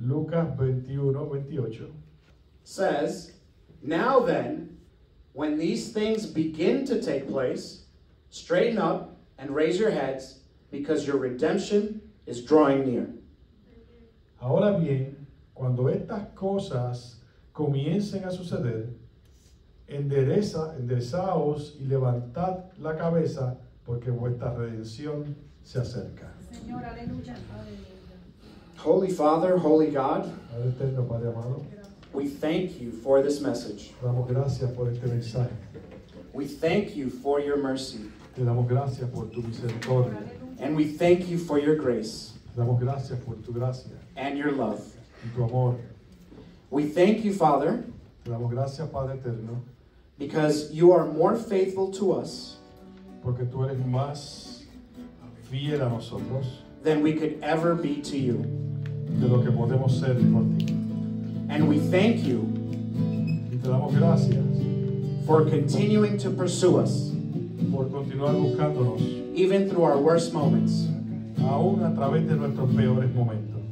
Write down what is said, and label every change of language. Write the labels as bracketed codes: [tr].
[en] Luke 21:28 says, now then, when these things begin to take place, straighten up and raise your heads, because your redemption is drawing near. [es] Ahora bien, cuando estas cosas comiencen a suceder, enderezaos y levantad la cabeza, porque vuestra redención se acerca. Señor, aleluya. [en] Holy Father, holy God, [es] Padre eterno, Padre amado, [en] we thank you for this message. [es] Damos gracias por este mensaje. [en] We thank you for your mercy. [es] Te damos gracias por tu misericordia. [en] And we thank you for your grace. [es] Te damos gracias por tu gracia. [en] And your love. [es] Y tu amor. [en] We thank you, Father. [es] Te damos gracias, Padre eterno. [en] Because you are more faithful to us. [es] Porque tú eres más fiel a nosotros. [en] Than we could ever be to you. [es] de lo que podemos ser por ti. [en] And we thank you. [es] Y te damos gracias. [en] For continuing to pursue us. [es] Por continuar buscándonos. [en] Even through our worst moments. [es] Aún a través de nuestros peores momentos.